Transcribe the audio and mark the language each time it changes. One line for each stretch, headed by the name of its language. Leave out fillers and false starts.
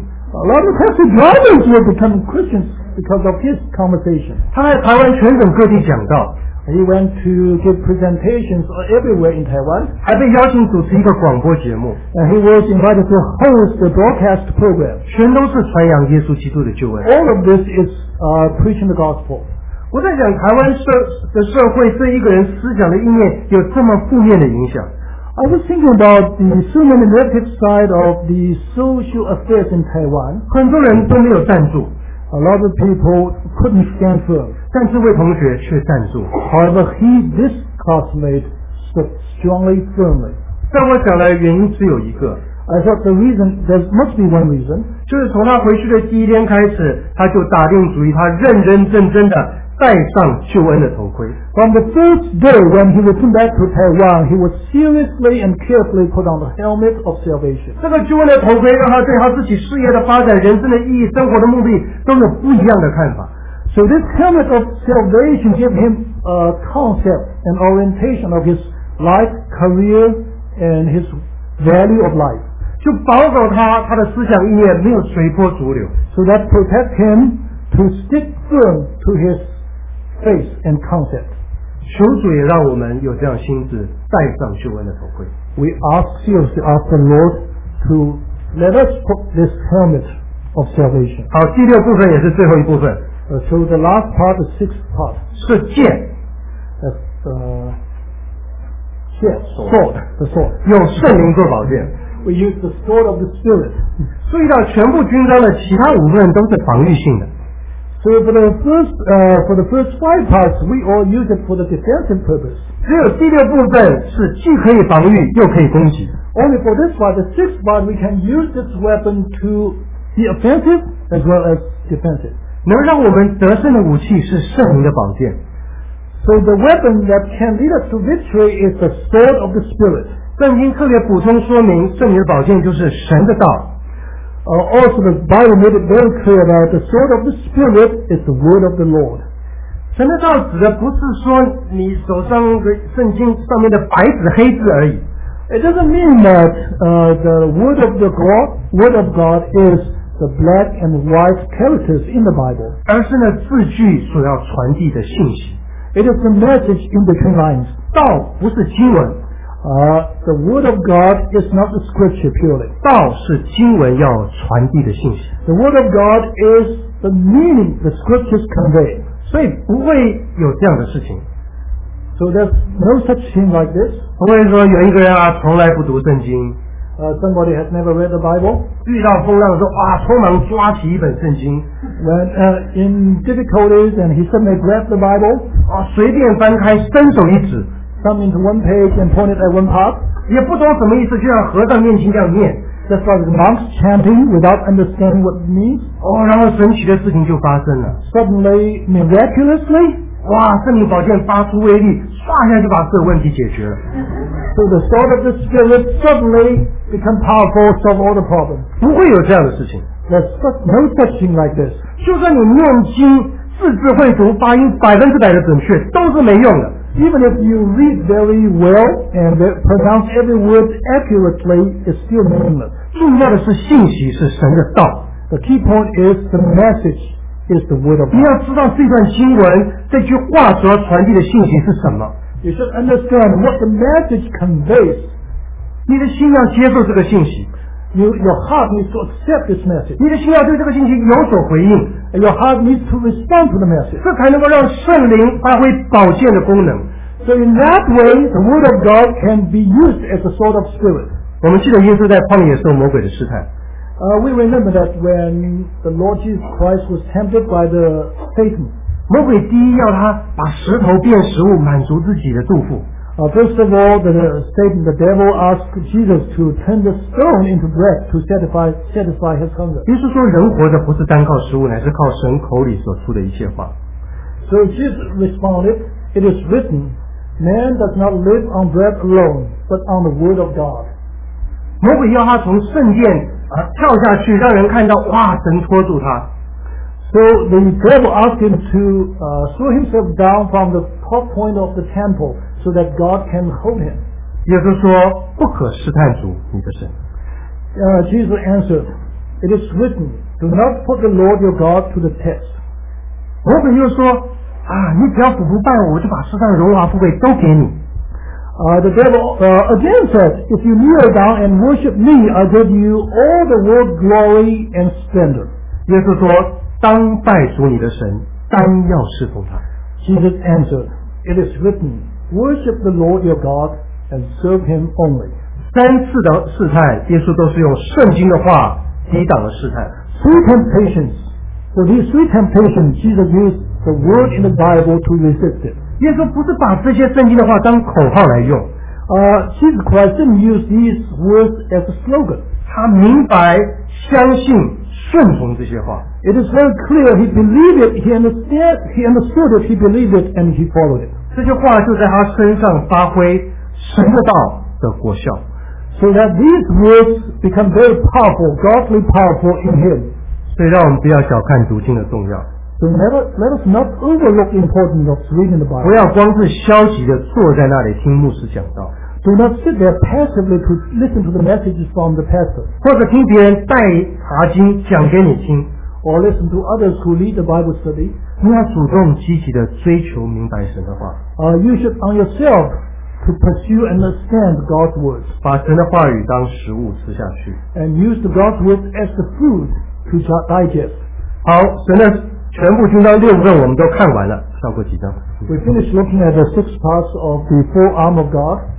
English: A lot of taxi drivers would become Christians because of his conversation.
Chinese: 他在台湾全省各地讲道。
English: He went to give presentations everywhere in Taiwan.
Chinese: 还被邀请主持一个广播节目。
English: And he was invited to host the broadcast program.
Chinese: 全都是传扬耶稣基督的救恩。
English: All of this is preaching the gospel.
Chinese: 我在想台湾社会对一个人思想的意念有这么负面的影响。
English: I was thinking about the so many negative side of the social affairs in Taiwan.
Chinese: 很多人都没有站住。
English: A lot of people couldn't stand firm.
Chinese: 但这位同学却站住。
English: However, he, this classmate, stood strongly, firmly.
Chinese: 在我想来，原因只有一个。
English: I thought the reason, there must be one reason.
Chinese: 就是从他回去的第一天开始，他就打定主意，他认认真真的戴上救恩的头盔。
English: From the first day when he returned back to Taiwan, he was seriously and carefully put on the helmet of salvation.
Chinese: 这个救恩的头盔让他对他自己事业的发展、人生的意义、生活的目的都有不一样的看法。
English: So this helmet of salvation gave him a concept and orientation of his life, career, and his value of life.
Chinese: 就保守他的思想意念没有随波逐流。
English: So that protect him to stick firm to his faith and concept.
Chinese: 求主也让我们有这样心智，戴上救恩的头盔。
English: We ask seriously ask the Lord to let us put this helmet of salvation.
Chinese: 好，第六部分也是最后一部分。
English: So the last part, the sixth part.
Chinese: 是剑。
English: The sword.
Chinese: 用圣灵做宝剑。
English: We use the sword of the Spirit.
Chinese: 注意到全部军装的其他五份都是防御性的。
English: So for the first five parts, we all use it for the defensive purpose.
Chinese: 只有第六部分是既可以防御又可以攻击。
English: Only for this part, the sixth part, we can use this weapon to be offensive as well as defensive.
Chinese: 能让我们得胜的武器是圣灵的宝剑。
English: So the weapon that can lead us to victory is the sword of the Spirit.
Chinese: 圣经特别补充说明，圣灵的宝剑就是神的道。
English: Also, the Bible made it very clear that the sword of the Spirit is the word of the Lord.
Chinese: 神的道指的不是说你手上圣经上面的白纸黑字而已。
English: It doesn't mean that the word of the God, word of God is the black and white characters in the Bible.
Chinese: 而是呢字句所要传递的信息。
English: It is the message in between lines.
Chinese: 道不是经文。
English: The word of God is not the scripture purely.
Chinese: 道是经文要传递的信息。
English: The word of God is the meaning the scriptures convey.
Chinese: 所以不会有这样的事情。
English: So there's no such thing like this.
Chinese: 不会说有一个人啊，从来不读圣经。
English: Somebody has never read the Bible.
Chinese: 遇到风浪说哇，匆忙抓起一本圣经。
English: When in difficulties and he suddenly grabbed the Bible.
Chinese: 啊，随便翻开，伸手一指。
English: Thumb into one page and point it at one part.
Chinese: 也不懂什么意思，就像和尚念经这样念。
English: That's like the monks chanting without understanding what it means.
Chinese: 哦，然后神奇的事情就发生了。
English: Suddenly, miraculously,
Chinese: 哇，圣灵宝剑发出威力，唰一下就把这个问题解决了。
English: So the sword of the Spirit suddenly become powerful, solve all the problems.
Chinese: 不会有这样的事情。
English: There's no such thing like this.
Chinese: 就算你念经字字会读，发音100%的准确，都是没用的。
English: Even if you read very well and pronounce every word accurately, it's still meaningless.
Chinese: 重要的是信息是神的道。
English: The key point is the message is the word of God.
Chinese: 你要知道这段经文这句话所要传递的信息是什么。
English: You should understand what the message conveys.
Chinese: 你的心要接受这个信息。
English: Your heart needs to accept this message.
Chinese: 你的心要对这个信息有所回应。
English: Your heart needs to respond to the message.
Chinese: 这才能够让圣灵发挥宝剑的功能。
English: So in that way, the word of God can be used as a sword of spirit.
Chinese: 我们记得耶稣在旷野受魔鬼的试探。
English: We remember that when the Lord Jesus Christ was tempted by the Satan.
Chinese: 魔鬼第一要他把石头变食物，满足自己的肚腹。
English: First of all, Satan, the devil asked Jesus to turn the stone into bread to satisfy his hunger.
Chinese: 耶稣说人活着不是单靠食物，乃是靠神口里所出的一切话。
English: So Jesus responded, it is written, man does not live on bread alone, but on the word of God.
Chinese: 魔鬼要他从圣殿跳下去，让人看到哇，神托住他。
English: So the devil asked him to throw himself down from the top point of the temple so that God can hold him.
Chinese: 耶稣说不可试探主你的神。
English: Jesus answered, it is written, do not put the Lord your God to the test.
Chinese: 魔鬼又说啊，你只要俯伏拜我，我就把世上的荣华富贵都给你。
English: The devil again said, if you kneel down and worship me, I'll give you all the world glory and splendor.
Chinese: 耶稣说，当拜主你的神，当要侍奉他。
English: Jesus answered, it is written, worship the Lord your God and serve him only.
Chinese: 三次的试探，耶稣都是用圣经的话抵挡了试探。
English: Three temptations. For these three temptations, Jesus used the word in the Bible to resist it.
Chinese: 耶稣不是把这些圣经的话当口号来用。
English: Jesus Christ didn't use these words as a slogan.
Chinese: 他明白相信顺从这些话。
English: It is very clear he believed it, he understood it, he believed it, and he followed it.
Chinese: 这些话就在他身上发挥神的道的果效。
English: So that these words become very powerful, godly powerful in him.
Chinese: 所以让我们不要小看读经的重要。
English: So let us not overlook the importance of reading the Bible.
Chinese: 不要光是消极地坐在那里听牧师讲道。
English: Do not sit there passively to listen to the messages from the pastor.
Chinese: 或者听别人带查经讲给你听。
English: Or listen to others who lead the Bible study.
Chinese: 你要主动积极地追求明白神的话。
English: You should on yourself to pursue and understand God's words.
Chinese: 把神的话语当食物吃下去。
English: And use the God's words as the food to digest.
Chinese: 好，神的全部经章六卷我们都看完了，跳过几章。
English: We finished looking at the six parts of the four arm of God.